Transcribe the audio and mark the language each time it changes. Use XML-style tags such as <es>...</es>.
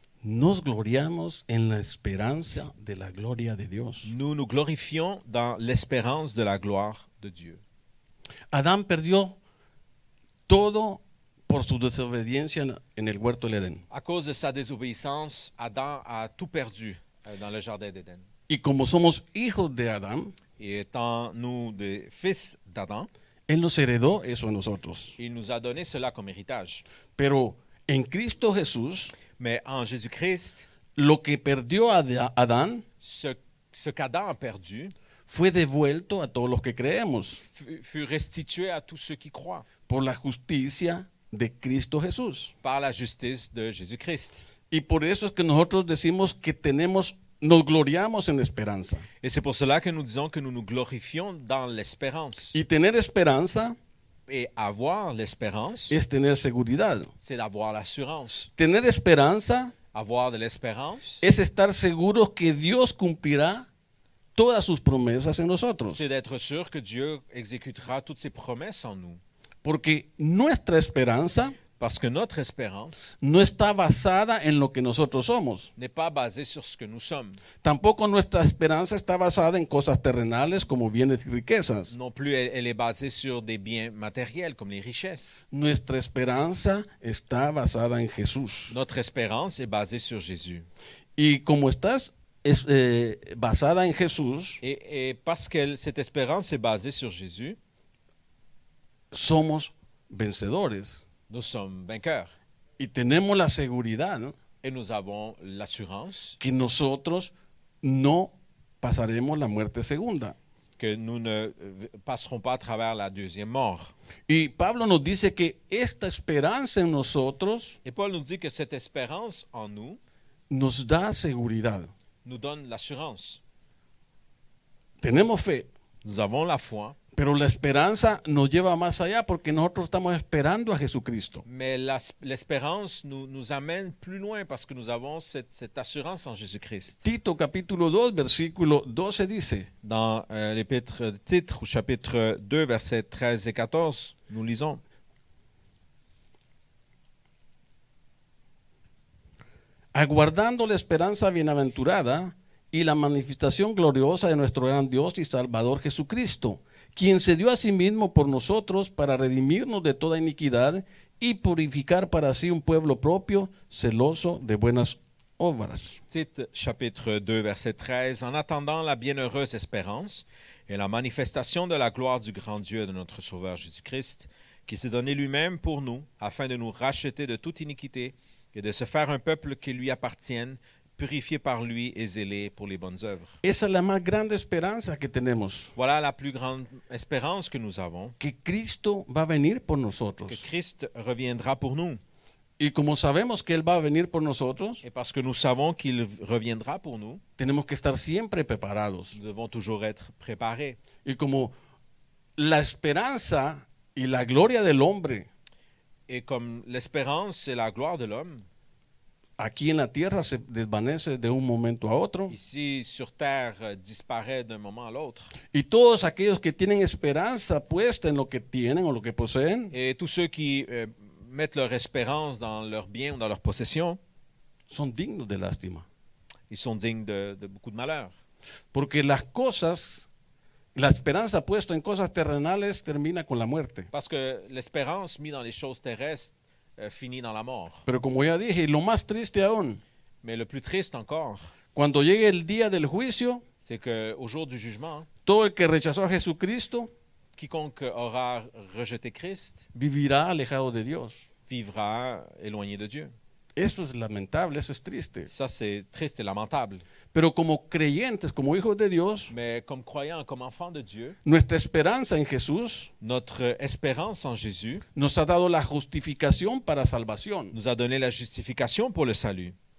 <es>Nos gloriamos en la esperanza de la gloria de Dios.</es> <fr>Nous nous glorifions dans l'espérance de la gloire de Dieu.</fr> <es>Adam perdió todo por su desobediencia en el huerto del Edén.</es> <fr>À cause de sa désobéissance, Adam a tout perdu dans le jardin d'Éden.</fr> <es>Y como somos hijos de Adán,</es> <fr>et étant nous des fils d'Adam,</fr> <es>él nos heredó eso a nosotros.</es> <fr>Il nous a donné cela comme héritage.</fr> <es>Pero en Cristo Jesús,</es> <fr>mais en Jésus-Christ,</fr> <es>lo que perdió Adán,</es> <fr>ce qu'Adam a perdu,</fr> <es>fue devuelto a todos los que creemos.</es> <fr>Fut restitué à tous ceux qui croient.</fr> <es>Por la justicia de Cristo Jesús.</es> <fr>Par la justice de Jésus-Christ.</fr> <es>Y por eso es que nosotros decimos que tenemos, nos gloriamos en la esperanza.</es> <fr>Et c'est pour cela que nous disons que nous nous glorifions dans l'espérance.</fr> <es>Y tener esperanza,</es> <fr>Et avoir l'espérance.</fr> <es>Es tener seguridad.</es> <fr>C'est d'avoir l'assurance.</fr> <es>Tener esperanza.</es> <fr>Avoir de l'espérance.</fr> <es>Es estar seguro que Dios cumplirá todas sus promesas en nosotros.</es> <fr>C'est d'être sûr que Dieu exécutera toutes ses promesses en nous.</fr> <es>Porque nuestra esperanza.</es> <fr>Parce que notre espérance</fr> <es>no está basada en lo que nosotros somos.</es> <fr>N'est pas basée sur ce que nous sommes.</fr> <es>Tampoco nuestra esperanza está basada en cosas terrenales como bienes y riquezas.</es> <fr>Non plus elle est basée sur des biens matériels comme les richesses.</fr> <es>Nuestra esperanza está basada en Jesús.</es> <fr>Notre espérance est basée sur Jésus.</fr> <es>Y como estás es, basada en Jesús.</es> <fr>Et parce que cette espérance est basée sur Jésus,</fr> <es>somos vencedores.</es> <fr>Nous sommes vainqueurs.</fr> <es>Y tenemos la seguridad, ¿no?</es> <fr>Et nous avons l'assurance</fr> <es>que nosotros no pasaremos la muerte segunda.</es> <fr>Que nous ne passerons pas à travers la deuxième mort.</fr> <es>Y Pablo nos dice que esta esperanza en nosotros.</es> <fr>Et Paul nous dit que cette espérance en nous</fr> <es>nos da seguridad.</es> <fr>Nous donne l'assurance.</fr> <es>Tenemos fe.</es> <fr>Nous avons la foi.</fr> <es>Pero la esperanza nos lleva más allá porque nosotros estamos esperando a Jesucristo.</es> <fr>Mais l'espérance nous amène plus loin parce que nous avons cette assurance en Jésus-Christ.</fr> <es>Tito capítulo 2 versículo 12 dice.</es> <fr>Dans l'épître de Tite au chapitre 2 verset 13 et 14, nous lisons.</fr> <es>Aguardando la esperanza bienaventurada y la manifestación gloriosa de nuestro gran Dios y Salvador Jesucristo. Quien se dio a sí mismo por nosotros para redimirnos de toda iniquidad y purificar para sí un pueblo propio celoso de buenas obras.</es> <fr>Tite, chapitre 2, verset 13. En attendant la bienheureuse espérance et la manifestation de la gloire du grand Dieu et de notre Sauveur Jésus-Christ, qui s'est donné lui-même pour nous afin de nous racheter de toute iniquité et de se faire un peuple qui lui appartienne, purifié par lui et zélé pour les bonnes œuvres.</fr> <es>Esa es la más grande esperanza que tenemos.</es> <fr>Voilà la plus grande espérance que nous avons.</fr> <es>Que Cristo va a venir por nosotros.</es> <fr>Que Christ reviendra pour nous.</fr> <es>Y como sabemos que él va a venir por nosotros.</es> <fr>Et parce que nous savons qu'il reviendra pour nous.</fr> <es>Tenemos que estar siempre preparados.</es> <fr>Nous devons toujours être préparés.</fr> <es>Y como la esperanza y la gloria del hombre.</es> <fr>Et comme l'espérance et la gloire de l'homme.</fr> <es>Aquí en la tierra se desvanece de un momento a otro.</es> <fr>Ici sur terre disparaît d'un moment à l'autre.</fr> <es>Y todos aquellos que tienen esperanza puesta en lo que tienen o lo que poseen.</es> <fr>Et tous ceux qui mettent leur espérance dans leur bien ou dans leur possession.</fr> <es>Son dignos de lástima.</es> <fr>Ils sont dignes de beaucoup de malheur.</fr> <es>Porque las cosas, la esperanza puesta en cosas terrenales termina con la muerte.</es> <fr>Parce que l'espérance mise dans les choses terrestres fini dans la mort.</fr> <es>Pero como ya dije, lo más triste aún.</es> <fr>Mais le plus triste encore.</fr> <es>Cuando llegue el día del juicio,</es> <fr>c'est que au jour du jugement,</fr> <es>todo el que rechazó a Jesucristo,</es> <fr>quiconque aura rejeté Christ,</fr> <es>vivirá alejado de Dios.</es> <fr>Vivra éloigné de Dieu.</fr> <es>Eso es lamentable, eso es triste.</es> <fr>Ça c'est triste et lamentable.</fr> <es>Pero como creyentes, como hijos de Dios,</es> <fr>mais comme croyants, comme enfants de Dieu,</fr> <es>nuestra esperanza en Jesús,</es> <fr>notre espérance en Jésus,</fr> <es>nos ha dado la justificación para salvación.</es> <fr>Nous a donné la justification pour le salut.</fr>